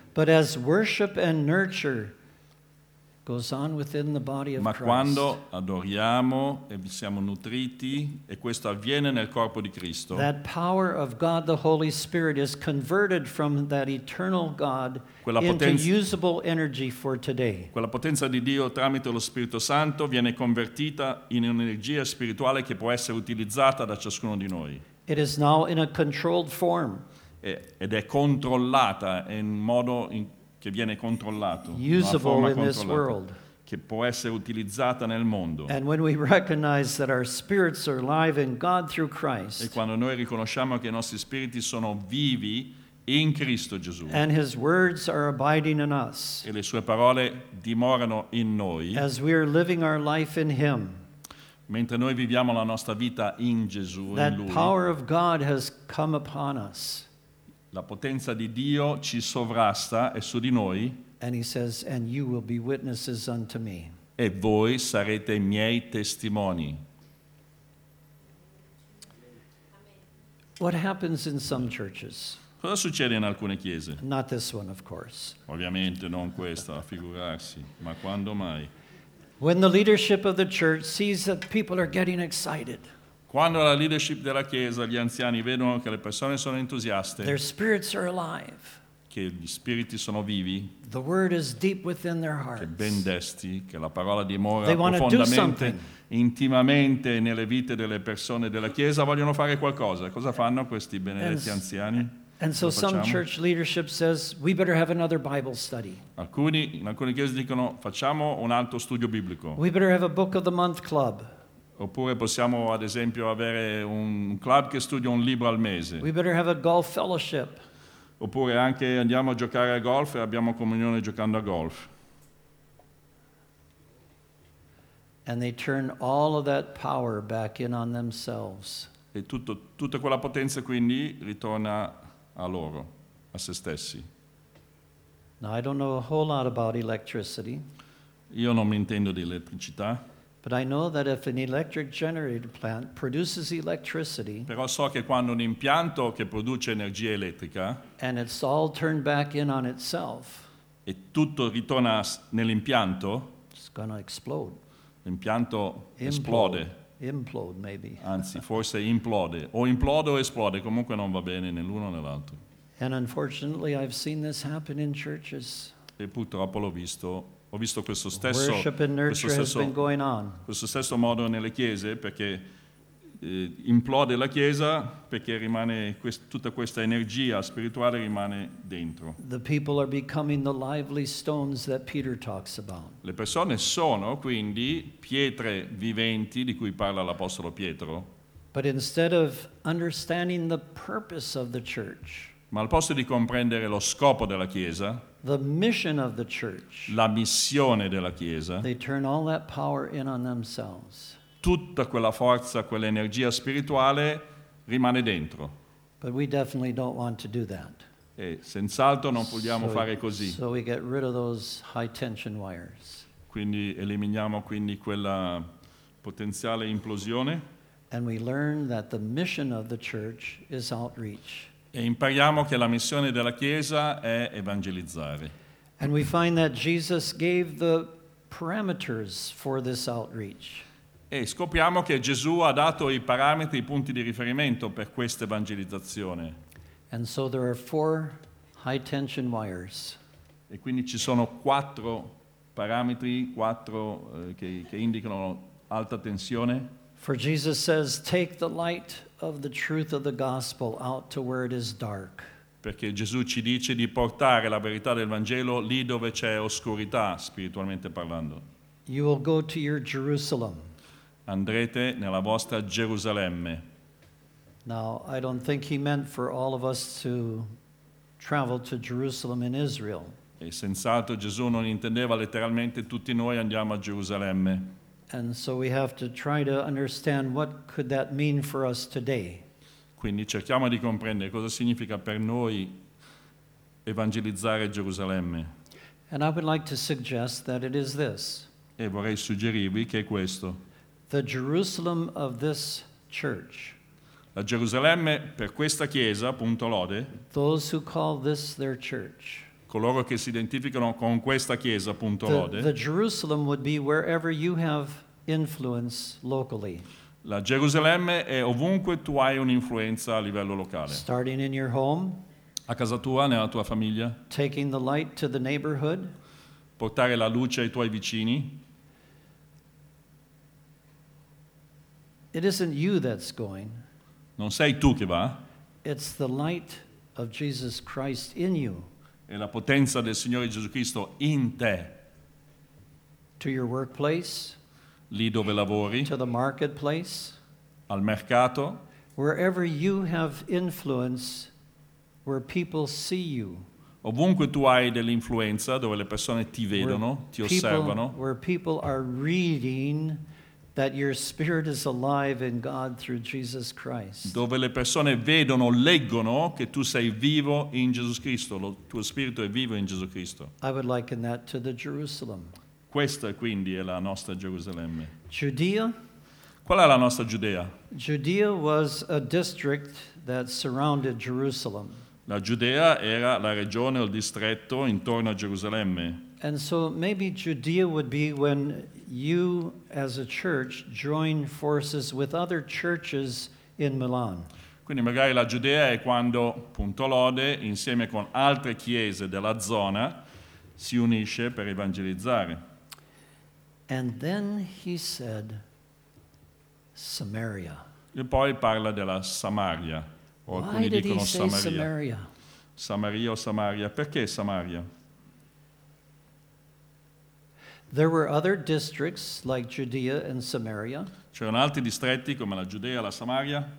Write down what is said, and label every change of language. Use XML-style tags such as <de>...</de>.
<en>But as worship and nurture goes on within the body of Christ.</en> <it>Ma quando adoriamo e siamo nutriti e questo avviene nel corpo di Cristo.</it> <en>That power of God the Holy Spirit is converted from that eternal God into usable energy for today.</en> <it>Quella potenza di Dio tramite lo Spirito Santo viene convertita in un'energia spirituale che può essere utilizzata da ciascuno di noi.</it> <en>It is now in a controlled form.</en> <it>Ed è controllata in modo in che viene controllato,</it> <en>usable</en> <it>una forma</it> <en>in this world,</en> <it>che può essere utilizzata nel mondo.</it> <en>And when we recognize that our spirits are alive in God through Christ,</en> <it>e quando noi riconosciamo che i nostri spiriti sono vivi in Cristo Gesù,</it> <en>and His words are abiding in us,</en> <it>e le sue parole dimorano in noi,</it> <en>as we are living our life in Him,</en> <it>mentre noi viviamo la nostra vita in Gesù,</it> <en>that</en> <it>in Lui,</it> <en>power of God has come upon us.</en> <it>La potenza di Dio ci sovrasta e su di noi.</it> <en>And he says, "And you will be witnesses unto me."</en> <it>E voi sarete miei testimoni.</it> <en>What happens in some churches?</en> <it>Cosa succede in alcune chiese?</it> <en>Not this one, of course.</en> <it>Ovviamente non questa, a figurarsi. Ma quando mai?</it> <en>When the leadership of the church sees that people are getting excited.</en> <it>Quando la leadership della chiesa, gli anziani vedono che le persone sono entusiaste,</it> <en>their spirits are alive,</en> <it>che gli spiriti sono vivi,</it> <en>the word is deep within their hearts,</en> <it>che ben desti, che la parola dimora profondamente, intimamente nelle vite delle persone della chiesa, vogliono fare qualcosa. Cosa fanno questi benedetti anziani?</it> <en>And so some church leadership says, "We better have another Bible study."</en> <it>Alcuni, in alcune chiese dicono, facciamo un altro studio biblico.</it> <en>"We better have a book of the month club."</en> <it>Oppure possiamo ad esempio avere un club che studia un libro al mese.</it> <en>"We better have a golf fellowship."</en> <it>Oppure anche andiamo a giocare a golf e abbiamo comunione giocando a golf.</it> <en>And they turn all of that power back in on themselves.</en> <it>E tutta quella potenza quindi ritorna a loro, a se stessi.</it> <en>Now, I don't know a whole lot about electricity.</en> <it>Io non mi intendo di elettricità.</it> <en>But I know that if an electric generated plant produces electricity,</en> <it>però so che quando un impianto che produce energia elettrica,</it> <en>and it's all turned back in on itself,</en> <it>e tutto ritorna nell'impianto,</it> <en>it's going to explode.</en> <it>L'impianto esplode.</it> <en>Implode, maybe.</en> <it>Anzi, forse implode. O implode o esplode. Comunque non va bene né l'uno né l'altro.</it> <en>And unfortunately, I've seen this happen in churches.</en> <it>E purtroppo l'ho visto. Ho visto questo stesso, questo stesso modo nelle chiese, perché implode la chiesa, perché rimane tutta questa energia spirituale rimane dentro.</it> <en>The people are becoming the lively stones that Peter talks about.</en> <it>Le persone sono quindi pietre viventi di cui parla l'apostolo Pietro.</it> <en>But instead of understanding the purpose of the church,</en> <it>ma al posto di comprendere lo scopo della chiesa,</it> <en>the mission of the church,</en> <it>la missione della chiesa,</it> <en>they turn all that power in on themselves.</en> <it>Tutta quella forza, quell'energia spirituale rimane dentro.</it> <en>But we definitely don't want to do that.</en> <it>E senz'altro non vogliamo fare così.</it> <en>So we get rid of those high tension wires.</en> <it>Quindi eliminiamo quindi quella potenziale implosione.</it> <en>And we learn that the mission of the church is outreach.</en> <it>E impariamo che la missione della Chiesa è evangelizzare.</it> <en>And we find that Jesus gave the parameters for this outreach.</en> <it>E scopriamo che Gesù ha dato i parametri, i punti di riferimento per questa evangelizzazione.</it> <en>And so there are four high tension wires.</en> <it>E quindi ci sono quattro parametri, quattro che indicano alta tensione.</it> <en>For Jesus says, take the light of the truth of the gospel out to where it is dark.</en> <it>Perché Gesù ci dice di portare la verità del Vangelo lì dove c'è oscurità, spiritualmente parlando.</it> <en>You will go to your Jerusalem.</en> <it>Andrete nella vostra Gerusalemme.</it> <en>Now, I don't think he meant for all of us to travel to Jerusalem in Israel.</en> <it>E senz'altro Gesù non intendeva letteralmente tutti noi andiamo a Gerusalemme.</it> <en>And so we have to try to understand what could that mean for us today.</en> <it>Quindi cerchiamo di comprendere cosa significa per noi evangelizzare Gerusalemme.</it> <en>And I would like to suggest that it is this.</en> <it>E vorrei suggerirvi che è questo.</it> <en>The Jerusalem of this church.</en> <it>La Gerusalemme per questa chiesa, punto lode.</it> <en>Those who call this their church.</en> <it>Coloro che si identificano con questa chiesa, punto lode.</it> <en>The Jerusalem would be wherever you have influence locally.</en> <it>La Gerusalemme è ovunque tu hai un'influenza a livello locale.</it> <en>Starting in your home.</en> <it>A casa tua, nella tua famiglia.</it> <en>Taking the light to the neighborhood.</en> <it>Portare la luce ai tuoi vicini.</it> <en>It isn't you that's going.</en> <it>Non sei tu che va.</it> <en>It's the light of Jesus Christ in you.</en> <it>E la potenza del Signore Gesù Cristo in te.</it> <en>To your workplace.</en> <it>Lì dove lavori.</it> <en>To the marketplace.</en> <it>Al mercato.</it> <en>Wherever you have influence, where people see you.</en> <it>Ovunque tu hai dell'influenza, dove le persone ti vedono, ti osservano.</it> <en>Where people are reading that your spirit is alive in God through Jesus Christ.</en> <it>Dove le persone vedono, leggono che tu sei vivo in Gesù Cristo, lo tuo spirito è vivo in Gesù Cristo.</it> <en>I would liken that to the Jerusalem.</en> <it>Questa quindi è la nostra Gerusalemme.</it> <en>Judea.</en> <it>Qual è la nostra Giudea?</it> <en>Judea was a district that surrounded Jerusalem.</en> <it>La Giudea era la regione o il distretto intorno a Gerusalemme.</it> <en>And so maybe Judea would be when you as a church join forces with other churches in Milan.</en> <it>Quindi magari la Giudea è quando, punto lode, insieme con altre chiese della zona si unisce per evangelizzare.</it> <en>And then he said Samaria.</en> <it>E poi parla della Samaria. O</it> <en>why</en> <it>alcuni</it> <en>did</en> <it>dicono</it> <en>he say Samaria?</en> <it>Samaria? Samaria o Samaria? Perché Samaria?</it> <en>There were other districts like Judea and Samaria.</en> <it>C'erano altri distretti come la Giudea, la Samaria.</it>